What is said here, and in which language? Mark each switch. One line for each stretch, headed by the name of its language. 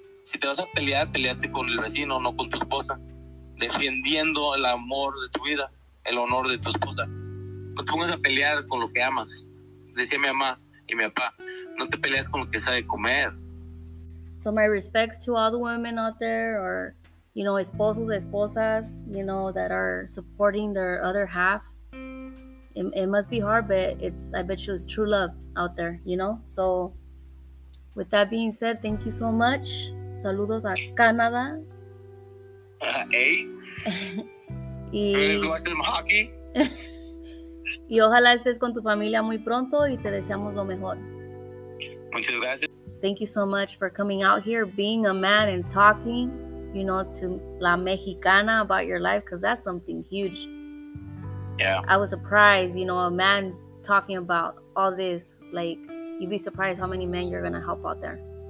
Spanish: si te vas a pelear, peleate con el vecino, no con tu esposa, defendiendo el amor de tu vida, el honor de tu esposa. No te pongas a pelear con lo que amas. Decía mi mamá y mi papá, no te peleas con lo que sabe comer.
English: So my respects to all the women out there, or, you know,
Spanish: esposos, esposas,
English: you know, that are supporting their other half. It must be hard, but it's, I bet you it's true love out there, you know? So with that being said, thank you so much.
Spanish: Saludos a Canadá. Hey. Y hockey. Y ojalá estés con tu familia muy pronto y te deseamos lo mejor. Muchas gracias.
English: Thank you so much for coming out here, being a man and talking, you know, to La Mexicana about your life, because that's something huge. Yeah. I was surprised, you know, a man talking about all this, like, you'd be surprised how many men you're going to help out there.